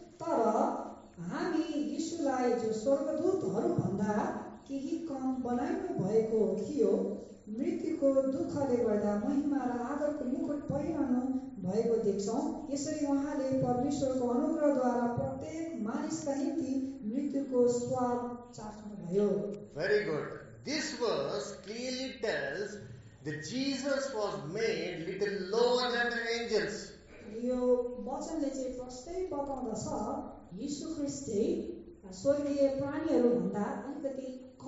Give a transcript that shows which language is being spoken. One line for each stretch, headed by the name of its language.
Nepali: तर हामी यीशुलाई जो स्वर्गदूतहरू भन्दा केही कम बनाइनु भएको थियो, मृत्युको दुःखले गर्दा महिमा र आदरको मुकुट पहिरनु भएको देख्छौँ. यसरी उहाँले परमेश्वरको अनुग्रहद्वारा प्रत्येक मानिसका निम्ति मृत्युको स्वाद चाख्नुभयो.
English: Very good. This verse clearly tells that Jesus was made little lower than the angels.
Nepali: यो वचनले चाहिँ प्रष्टै बताउँदछ यीशु ख्रीष्ट स्वर्गीय प्राणीहरू भन्दा अलिकति